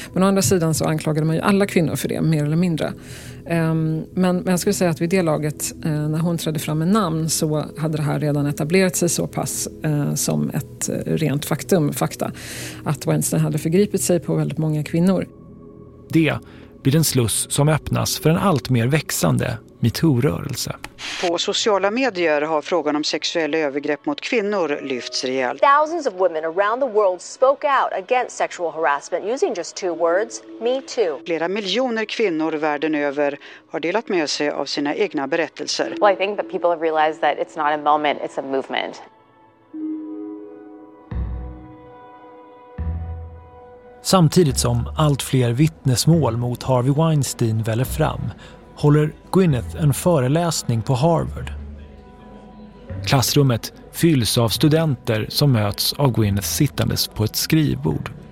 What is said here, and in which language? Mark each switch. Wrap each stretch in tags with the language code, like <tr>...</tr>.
<sv>Men å andra sidan så anklagade man ju alla kvinnor för det, mer eller mindre. Men jag skulle säga att vid det laget, när hon trädde fram med namn, så hade det här redan etablerat sig så pass som ett rent faktum, fakta, att Weinstein hade förgripit sig på väldigt många kvinnor. Det blir en sluss som öppnas för en allt mer växande MeToo-rörelse. På sociala medier har frågan om sexuella övergrepp mot kvinnor lyfts rejält.</sv> <en>Thousands of women around the world spoke out against sexual harassment using just two words, Me Too.</en> <sv>Flera miljoner kvinnor världen över har delat med sig av sina egna berättelser.</sv> <en>Well, I think that people have realized that it's not a moment, it's a movement.</en> <sv>Samtidigt som allt fler vittnesmål mot Harvey Weinstein väller fram håller Gwyneth en föreläsning på Harvard. Klassrummet fylls av studenter som möts av Gwyneth sittandes på ett skrivbord.</sv>